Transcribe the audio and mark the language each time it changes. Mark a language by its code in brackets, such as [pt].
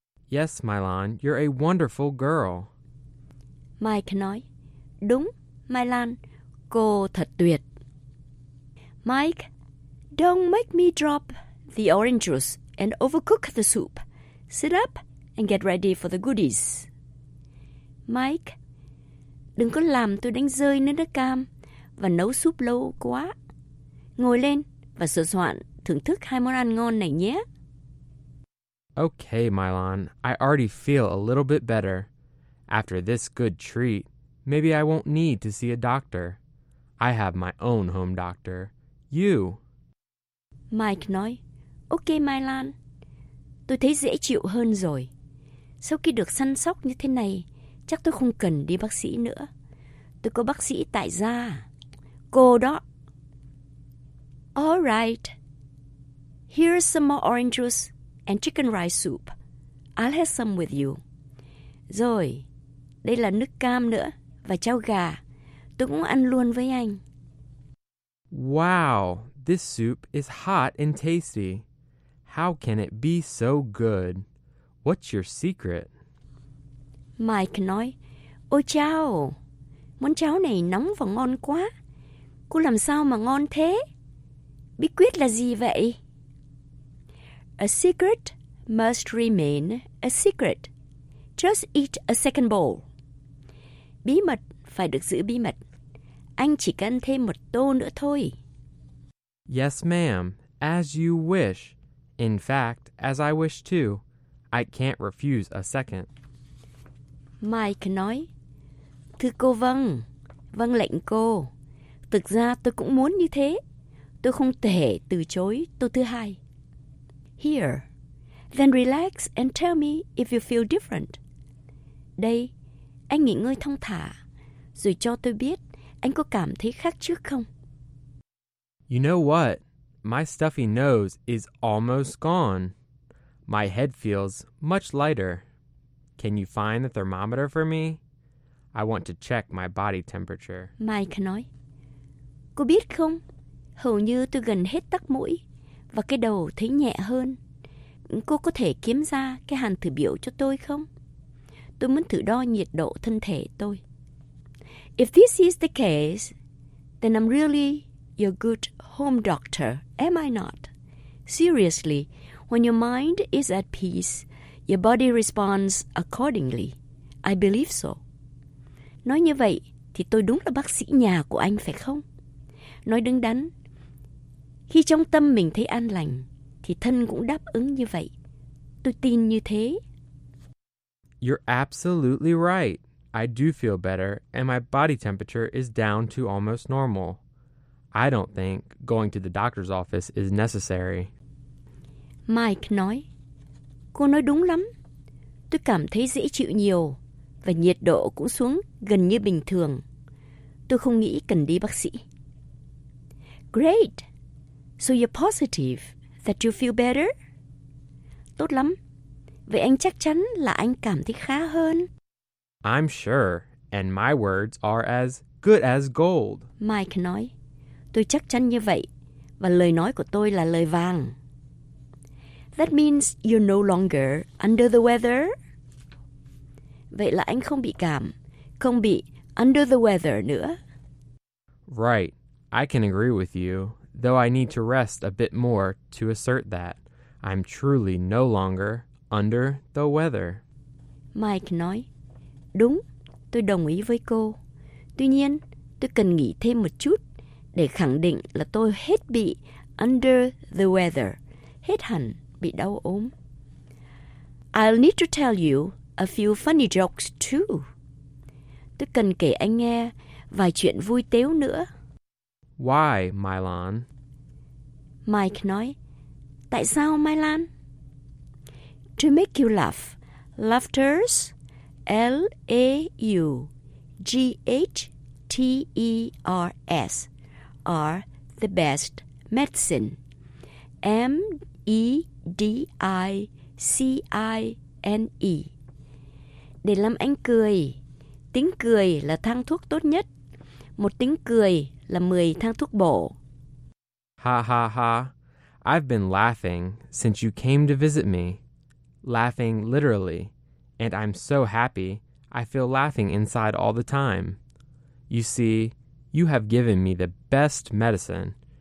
[en] Yes, Mylan, you're a wonderful girl. [vi] Mike nói, đúng, Mylan, cô thật tuyệt. [en] Mike, don't make me drop the orange juice and overcook the soup. Sit up and get ready for the goodies. [vi] Mike, đừng có làm tôi đánh rơi nước cam và nấu súp lâu quá. Ngồi lên và sửa soạn thưởng thức hai món ăn ngon này nhé. [en] Okay, Mylan, I already feel a little bit better. After this good treat, maybe I won't need to see a doctor. I have my own home doctor. You. [vi] Mike nói, okay, Mylan, tôi thấy dễ chịu hơn rồi. Sau khi được săn sóc như thế này, chắc tôi không cần đi bác sĩ nữa. Tôi có bác sĩ tại gia. Cô đó. [en] All right. Here's some more orange juice and chicken rice soup. I'll have some with you. [vi] Rồi, đây là nước cam nữa và cháo gà. Tôi cũng ăn luôn với anh. [en] Wow, this soup is hot and tasty. How can it be so good? What's your secret? [vi] Mike nói, ôi chao, món cháo này nóng và ngon quá. Cô làm sao mà ngon thế? Bí quyết là gì vậy? [en] A secret must remain a secret. Just eat a second bowl. [vi] Bí mật phải được giữ bí mật. Anh chỉ cần thêm một tô nữa thôi. [en] Yes, ma'am, as you wish. In fact, as I wish too. I can't refuse a second. [vi] Mike nói, thưa cô vâng, vâng lệnh cô. Thực ra tôi cũng muốn như thế. Tôi không thể từ chối tô thứ hai. [en] Here, then relax and tell me if you feel different. [vi] Đây, anh nghỉ ngơi thong thả, rồi cho tôi biết anh có cảm thấy khác trước không? [en] You know what? My stuffy nose is almost gone. My head feels much lighter. Can you find the thermometer for me? I want to check my body temperature. [vi] Mike nói, cô biết không, hầu như tôi gần hết tắc mũi và cái đầu thấy nhẹ hơn. Cô có thể kiếm ra cái hàn thử biểu cho tôi không? Tôi muốn thử đo nhiệt độ thân thể tôi. [en] If this is the case, then I'm really your good home doctor, am I not? Seriously, when your mind is at peace, your body responds accordingly. I believe so. [vi] Nói như vậy, thì tôi đúng là bác sĩ nhà của anh, phải không? Nói đứng đắn. Khi trong tâm mình thấy an lành, thì thân cũng đáp ứng như vậy. Tôi tin như thế. [en] You're absolutely right. I do feel better, and my body temperature is down to almost normal. I don't think going to the doctor's office is necessary. [vi] Mike nói, cô nói đúng lắm. Tôi cảm thấy dễ chịu nhiều và nhiệt độ cũng xuống gần như bình thường. Tôi không nghĩ cần đi bác sĩ. [en] Great. So you're positive that you feel better? [vi] Tốt lắm. Vậy anh chắc chắn là anh cảm thấy khá hơn. [en] I'm sure. And my words are as good as gold. [vi] Mike nói, tôi chắc chắn như vậy và lời nói của tôi là lời vàng. [en] That means you're no longer under the weather. [vi] Vậy là anh không bị cảm, không bị [en] under the weather [vi] nữa. [en] Right. I can agree with you, though I need to rest a bit more to assert that. I'm truly no longer under the weather. [vi] Mike nói, đúng, tôi đồng ý với cô. Tuy nhiên, tôi cần nghỉ thêm một chút để khẳng định là tôi hết bị [en] under the weather, [vi] hết hẳn bị đau ốm. [en] I'll need to tell you a few funny jokes too. [vi] Tôi cần kể anh nghe vài chuyện vui tếu nữa. [en] Why, Mylan? [vi] Mike nói, tại sao Mai Lan? [en] To make you laugh. Laughters, LAUGHTERS, are the best medicine. MEDICINE. [vi] Để làm anh cười, tiếng cười là thang thuốc tốt nhất. Một tiếng cười là 10 thang thuốc bổ. Ha ha ha. [en] I've been laughing since you came to visit me. Laughing literally. And I'm so happy, I feel laughing inside all the time. You see, you have given me the best medicine.